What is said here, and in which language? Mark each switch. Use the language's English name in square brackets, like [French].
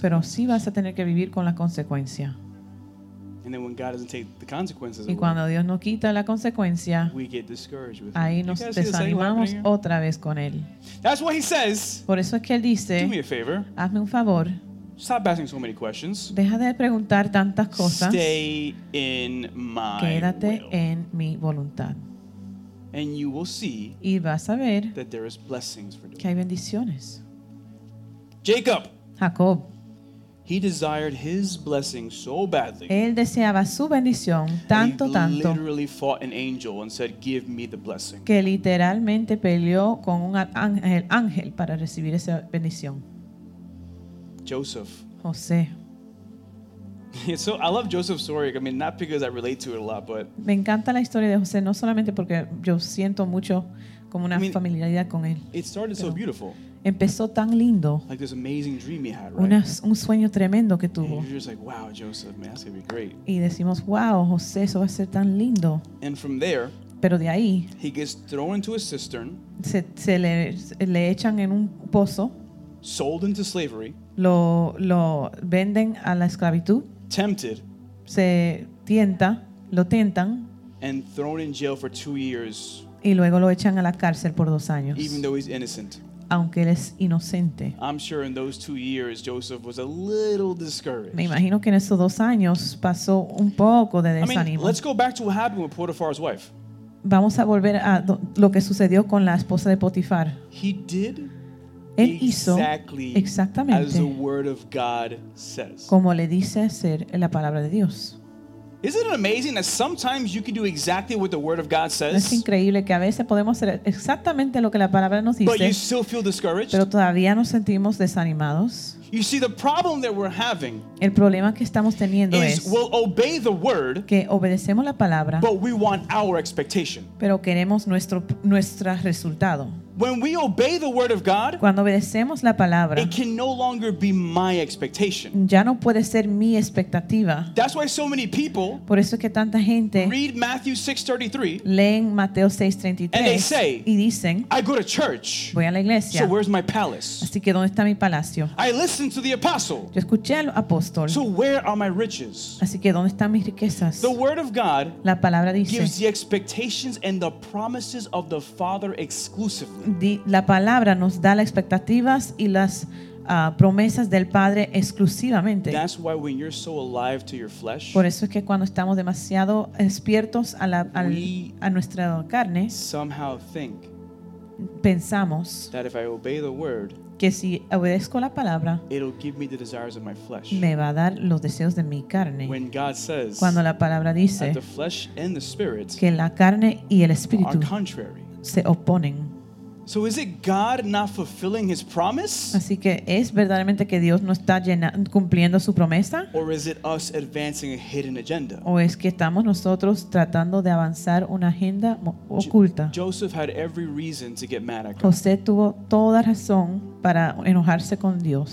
[Spanish] Pero sí vas a tener que vivir con la consecuencia. [English] And then when God doesn't take the consequences, [Spanish] y cuando Dios no quita la consecuencia, [English] we get discouraged with [Spanish] ahí nos desanimamos otra vez con él. [English] That's what he says. [Spanish] Por eso es que él dice, [English] do me a favor. [Spanish] Hazme un favor. [English] Stop asking so many questions. [Spanish] Deja de preguntar tantas cosas. [English] Stay in my [Spanish] Quédate [English] will. [Spanish] En mi voluntad. [English] And you will see [Spanish] y vas a ver [English] that there is blessings for doing [Spanish] que hay bendiciones. [English] Jacob. He desired his blessing so badly. [Spanish] Él deseaba su bendición tanto, tanto. [English] He literally fought an angel and said, "Give me the blessing." [Spanish] Que literalmente peleó con un ángel para recibir esa bendición. [English] Joseph. [Spanish] José. [English] So I love Joseph's story. I mean, not because I relate to it a lot, but [Spanish] me encanta la historia de José, no solamente porque yo siento mucho como una familiaridad con él. [English] It started so beautiful. [Spanish] Empezó tan lindo. [English] Like this amazing dream he had, right? [Spanish] Un sueño tremendo que tuvo. [English] And you're just like, wow, Joseph, man, that's gonna be great. [Spanish] Y decimos, wow, José, eso va a ser tan lindo. [English] And from there, [Spanish] pero de ahí, [English] he gets thrown into a cistern. [Spanish] Se le echan en un pozo. [English] Sold into slavery. [Spanish] Lo venden a la esclavitud. [English] Tempted. [Spanish] Se tienta, lo tientan. [English] And thrown in jail for 2 years. [Spanish] Y luego lo echan a la cárcel por 2 años. [English] Even though he's innocent. [Spanish] Aunque él es inocente. [English] I'm sure in those 2 years Joseph was a little discouraged. [Spanish] Me imagino que en esos 2 años pasó un poco de desánimo. [English] I mean, let's go back to what happened with Potiphar's wife. [Spanish] Vamos a volver a lo que sucedió con la esposa de Potifar. [English] He did [Spanish] él hizo exactamente [English] as the word of God says. [Spanish] Como le dice hacer en la palabra de Dios. [English] Isn't it amazing that sometimes you can do exactly what the word of God says? [Spanish] Es increíble que a veces podemos hacer exactamente lo que la palabra nos dice. [English] But you still feel discouraged. [Spanish] Pero todavía nos sentimos desanimados. [English] You see, the problem that we're having. [Spanish] El problema que estamos teniendo [English] es we'll obey the word. [Spanish] Que obedecemos la palabra. [English] But we want our expectation. [Spanish] Pero queremos nuestro resultado. [English] When we obey the word of God, [Spanish] cuando obedecemos la palabra, [English] it can no longer be my expectation. [Spanish] Ya no puede ser mi expectativa. [English] That's why so many people, [Spanish] por eso es que tanta gente, [English] read Matthew 6:33, [Spanish] leen Mateo 6:33, [English] and they say, [Spanish] y dicen, [English] I go to church, [Spanish] voy a la iglesia, [English] so where's my palace? [Spanish] Así que ¿dónde está mi palacio? [English] I listen to the apostle, [Spanish] yo escuché al apóstol, [English] so where are my riches? [Spanish] Así que ¿dónde están mis riquezas? [English] The word of God, [Spanish] la palabra dice, [English] gives the expectations and the promises of the Father exclusively. [Spanish] La palabra nos da las expectativas y las promesas del Padre exclusivamente. [English] That's why when you're so alive to your flesh, [Spanish] por eso es que cuando estamos demasiado despiertos a nuestra carne, [English] somehow think [Spanish] pensamos [English] that if I obey the word, [Spanish] que si obedezco la palabra, [English] it'll give me the desires of my flesh. [Spanish] Me va a dar los deseos de mi carne. [English] When God says, [Spanish] cuando la palabra dice [English] that the flesh and the spirit, [Spanish] que la carne y el espíritu [English] are contrary, [Spanish] se oponen. [English] So is it God not fulfilling his promise? [Spanish] Así que ¿es verdaderamente que Dios no está cumpliendo su promesa? [English] Or is it us advancing a hidden agenda? [Spanish] ¿O es que estamos nosotros tratando de avanzar una agenda oculta? [English] Joseph had every reason to get mad at God. [Spanish] José tuvo toda razón para enojarse con Dios.